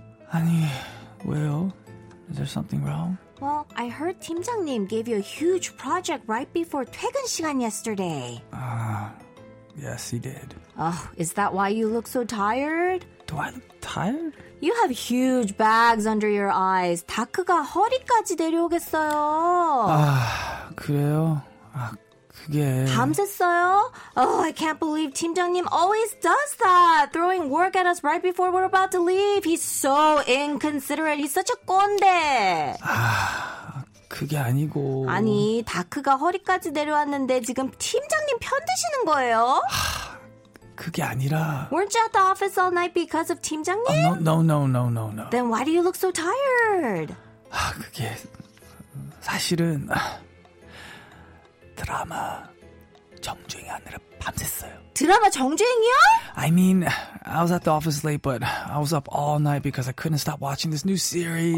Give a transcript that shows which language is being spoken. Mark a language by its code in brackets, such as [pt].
[ko] 아니, 왜요? [en] Is there something wrong? Well, I heard 팀장님 gave you a huge project right before [ko] 퇴근 시간 [en] yesterday. Yes, he did. Oh, is that why you look so tired? Do I look tired? You have huge bags under your eyes. [ko] 다크가 허리까지 내려오겠어요. 그래요? 그게... 밤샜어요? [en] Oh, I can't believe 팀장님 always does that. Throwing work at us right before we're about to leave. He's so inconsiderate. He's such a 꼰대. [ko] 그게 아니고... 아니, 다크가 허리까지 내려왔는데 지금 팀장님 편드시는 거예요? 그게 아니라... [en] Weren't you at the office all night because of 팀장님? No. Then why do you look so tired? [ko] 그게... 사실은... 드라마 정주행하느라 밤샜어요. 드라마 정주행이요? [en] I mean, I was at the office late, but I was up all night because I couldn't stop watching this new series.